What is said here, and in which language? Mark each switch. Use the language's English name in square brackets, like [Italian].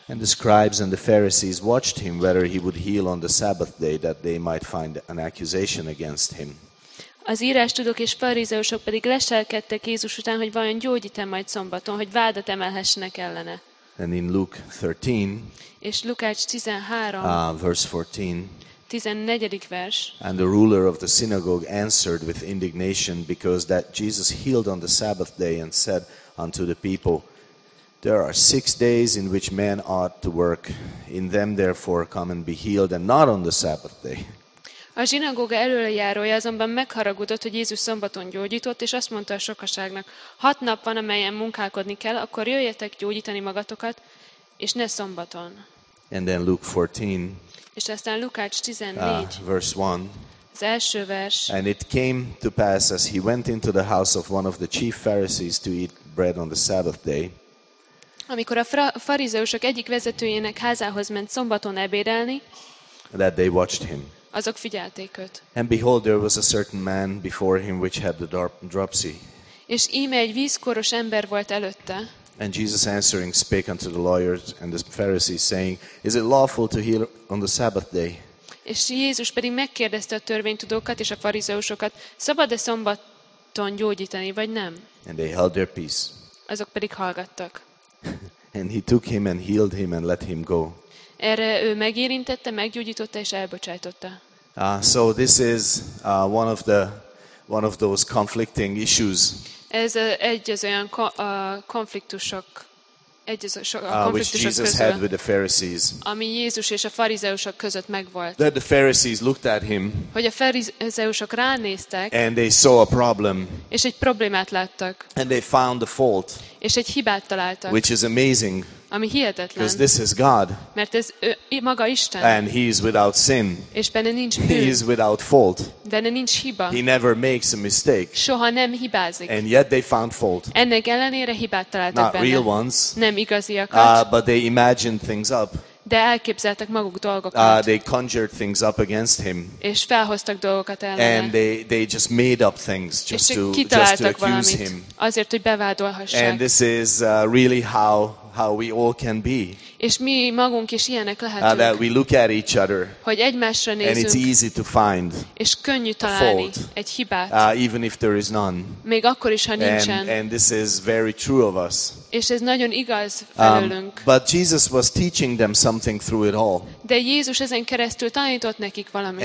[English] And the scribes and the Pharisees watched him whether he would heal on the Sabbath day that they might find an accusation against him. [Hungarian] Az írástudók és farizeusok pedig leselkedtek Jézus után, hogy vajon gyógyít-e majd szombaton, hogy vádat emelhessenek ellene. [English] And in Luke 13. [Hungarian] És Lukács 13. [English] Verse 14. [Hungarian] 14. vers. [English] And the ruler of the synagogue answered with indignation because that Jesus healed on the Sabbath day and said unto the people, there are 6 days in which man ought to work. In them therefore come and be healed, and not on the Sabbath day. [Hungarian] A zsinagóga előjárója azonban megharagudott, hogy Jézus szombaton gyógyított, és azt mondta a sokaságnak, 6 nap van, amelyen munkálkodni kell, akkor jöjjetek gyógyítani magatokat, és ne szombaton. [English] And then Luke 14. [Hungarian] És aztán Lukács 14. [English] Verse 1. [Hungarian] Az első vers. [English] And it came to pass as he went into the house of one of the chief Pharisees to eat bread on the Sabbath day. [Hungarian] Amikor a farizeusok egyik vezetőjének házához ment szombaton ebédelni, [English] that they watched him. [Hungarian] Azok figyelték őt. [English] And behold, there was a certain man before him which had the dropsy. [Hungarian] És íme egy vízkoros ember volt előtte. [English] And Jesus answering spake unto the lawyers and the Pharisees, saying, is it lawful to heal on the Sabbath day? [Hungarian] És Jézus pedig megkérdezte a törvénytudókat és a farizeusokat, szabad-e szombaton gyógyítani, vagy nem? [English] And they held their peace. [Hungarian] Azok pedig hallgattak. [English] And he took him and healed him and let him go. [Hungarian] Erre ő megérintette, meggyógyította és elbocsájtotta. [English] So this is one of those conflicting issues. [Hungarian] Ez egy az olyan konfliktusok, [English] which Jesus [Hungarian] közül, [English] had with the Pharisees. [Hungarian] Ami Jézus és a farizeusok között megvolt. [English] That the Pharisees looked at him. [Hungarian] Hogy a farizeusok ránéztek. [English] And they saw a problem. [Hungarian] És egy problémát láttak. [English] And they found a fault. [Hungarian] És egy hibát találtak. [English] Which is amazing. [Hungarian] Ami hihetetlen. [English] Because this is God. [Hungarian] Mert ez maga Isten. [English] And he is without sin. [Hungarian] És benne nincs bűn. [English] He is without fault. [Hungarian] Benne nincs hiba. [English] He never makes a mistake. [Hungarian] Soha nem hibázik. [English] And yet they found fault. [Hungarian] Ennek ellenére hibát találtak [English] Not [Hungarian] benne. [English] Real ones. [Hungarian] Nem igaziakat. [English] But they imagined things up. [Hungarian] De elképzeltek maguk dolgokat. [English] They conjured things up against him. [Hungarian] És felhoztak dolgokat ellene. [English] And they just made up things just to accuse him. [Hungarian] Azért, hogy bevádolhassák. [English] And this is really how we all can be. [Hungarian] És mi magunk is ilyenek lehetünk. [English] That we look at each other. [Hungarian] Hogy egymásra nézünk. [English] And it's easy to find. [Hungarian] És könnyű találni egy hibát. [English] Even if there is none. [Hungarian] Még akkor is, ha nincsen. [English] And this is very true of us. [Hungarian] És ez nagyon igaz felőlünk. [English] But Jesus was teaching them something through it all. [Hungarian] De Jézus ezen keresztül tanított nekik valamit.